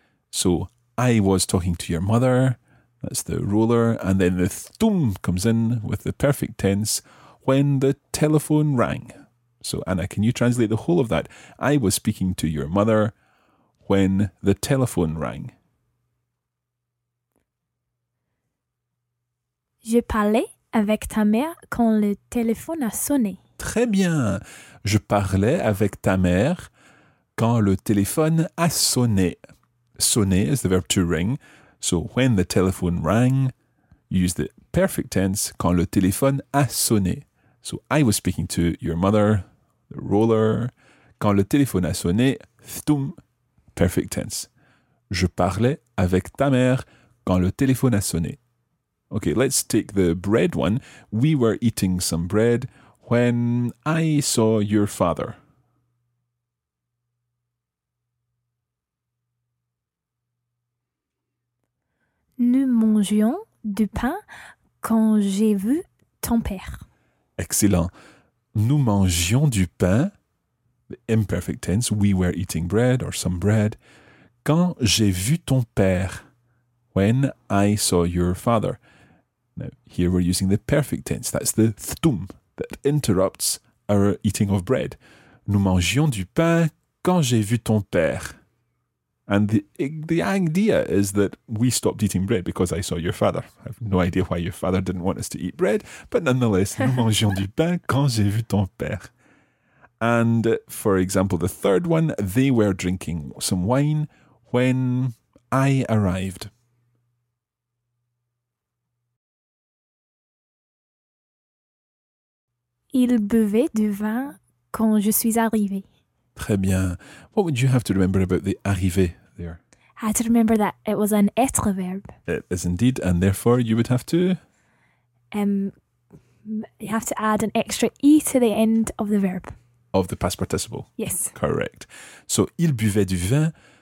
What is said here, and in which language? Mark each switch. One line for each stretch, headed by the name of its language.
English: So, I was talking to your mother. That's the roller, and then the thum comes in with the perfect tense when the telephone rang. So, Anna, can you translate the whole of that? I was speaking to your mother when the telephone rang.
French: Je parlais avec ta mère quand le téléphone a sonné. Très bien. Je parlais avec ta mère quand le téléphone a sonné.
English: Sonner is the verb to ring. So when the telephone rang, you use the perfect tense,
French: quand le téléphone a sonné.
English: So I was speaking to your mother, the roller.
French: Quand le téléphone a sonné, thtum,
English: perfect tense.
French: Je parlais avec ta mère quand le téléphone a sonné.
English: Okay, let's take the bread one. We were eating some bread when I saw your father.
French: Nous mangions du pain quand j'ai vu ton père.
English: Excellent.
French: Nous mangions du pain,
English: the imperfect tense, we were eating bread or some bread,
French: quand j'ai vu ton père,
English: when I saw your father. Now, here we're using the perfect tense. That's the thtum that interrupts our eating of bread.
French: Nous mangions du pain quand j'ai vu ton père.
English: And the idea is that we stopped eating bread because I saw your father. I have no idea why your father didn't want us to eat bread, but nonetheless,
French: nous mangeons du pain quand j'ai vu ton père.
English: And for example, the third one, they were drinking some wine when I arrived.
French: Il buvait du vin quand je suis arrivée. Très bien.
English: What would you have to remember about the arriver there? I had to remember that it was an être verb. It is indeed, and therefore you would have to... You have to add an extra E to the end of the verb. Of the past participle. Yes. Correct. So,
French: il buvait du vin.